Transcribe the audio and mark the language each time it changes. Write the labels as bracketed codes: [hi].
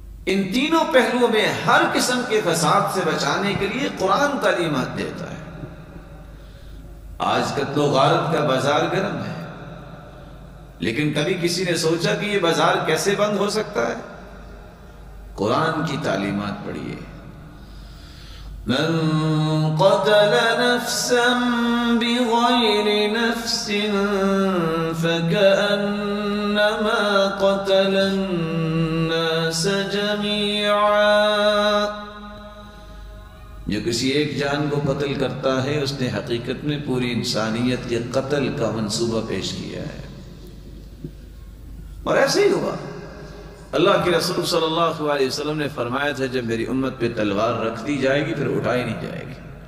[ur] ان تینوں پہلوؤں میں ہر قسم کے فساد سے بچانے کے لیے قرآن تعلیمات دیتا ہے. آج قتل و غارت کا بازار گرم ہے، لیکن کبھی کسی نے سوچا کہ یہ بازار کیسے بند ہو سکتا ہے؟ قرآن کی تعلیمات پڑھیے. [ar] من قتل نفسا بغير نفس فكأنما قتل الناس جميعا. [ur] جو کسی ایک جان کو قتل کرتا ہے اس نے حقیقت میں پوری انسانیت کے قتل کا منصوبہ پیش کیا ہے. اور ایسے ہی ہوا، اللہ کے رسول صلی اللہ علیہ وسلم نے فرمایا تھا جب میری امت پہ تلوار رکھ دی جائے گی پھر اٹھائی نہیں جائے گی.